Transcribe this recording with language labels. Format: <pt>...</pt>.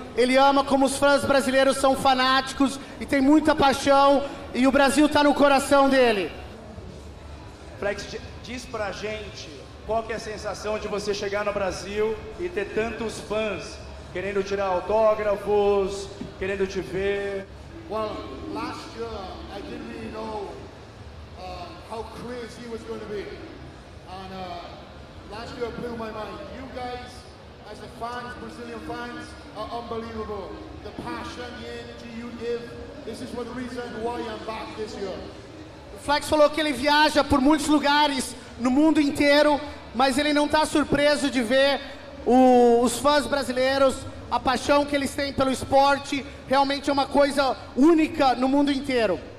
<pt>Ele ama como os fãs brasileiros são fanáticos e tem muita paixão e o Brasil está no coração dele. Flex, diz para a gente qual que é a sensação de você chegar no Brasil e ter tantos fãs querendo tirar autógrafos, querendo te ver.</pt> <en>Well, last year I didn't really know how crazy it was going to be. And last year blew my mind. You guys, as the fans, Brazilian fans, are unbelievable. The passion, the energy you give, this is one reason why I'm back this year.</en> <pt>Flex falou que ele viaja por muitos lugares no mundo inteiro, mas ele não está surpreso de ver os fãs brasileiros, a paixão que eles têm pelo esporte, realmente é uma coisa única no mundo inteiro.</pt>